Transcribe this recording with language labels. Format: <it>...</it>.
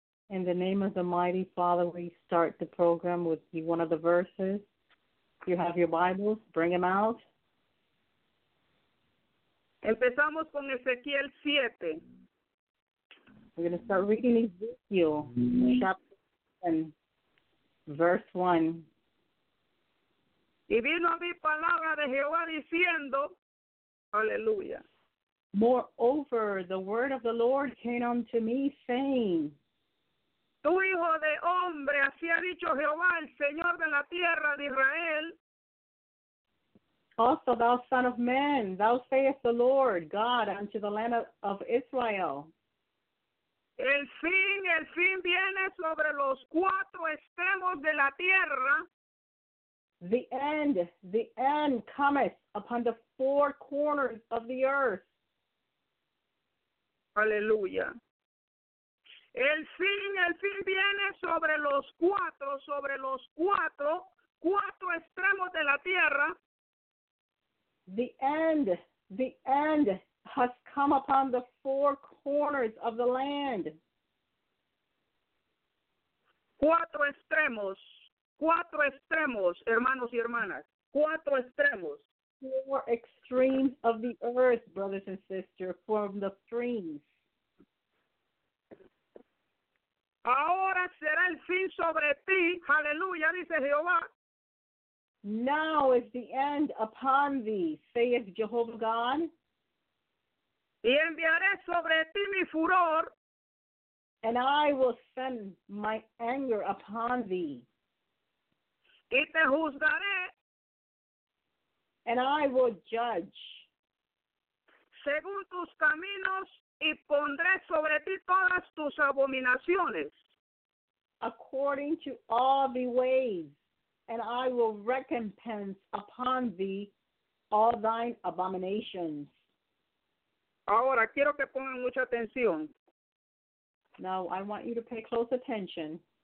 <en>In the name of the mighty Father, we start the program with one of the verses. If you have your Bibles, bring them out.</en> <es>Empezamos con Ezequiel 7.</es> <en>We're going to start reading Ezekiel, chapter 7, verse 1.</en> <es>Y vino a mi palabra de Jehová diciendo, aleluya.</es> <en>Moreover, the word of the Lord came unto me, saying,</en> <es>tu hijo de hombre, así ha dicho Jehová, el Señor de la tierra de Israel.</es> <en>Also, thou son of man, thou sayest the Lord God unto the land of Israel.</en> <es>El fin viene sobre los cuatro extremos de la tierra.</es> <en>The end cometh upon the four corners of the earth.</en> <es>Aleluya. El fin viene sobre los cuatro extremos de la tierra.</es> <en>The end has come upon the four corners of the land.</en> <es>Cuatro extremos, hermanos y hermanas. Cuatro extremos.</es> <en>Four extremes of the earth, brothers and sisters, from the streams.</en> <es>Ahora será el fin sobre ti, aleluya, dice Jehová.</es> <en>Now is the end upon thee, saith Jehovah God.</en> <es>Y enviaré sobre ti mi furor.</es> <en>And I will send my anger upon thee.</en> <es>Y te juzgaré.</es> <en>And I will judge.</en> <es>Según tus caminos y pondré sobre ti todas tus abominaciones.</es> <en>According to all the ways, and I will recompense upon thee all thine abominations.</en> <es>Ahora, quiero que pongan mucha atención.</es> <en>Now, I want you to pay close attention.</en>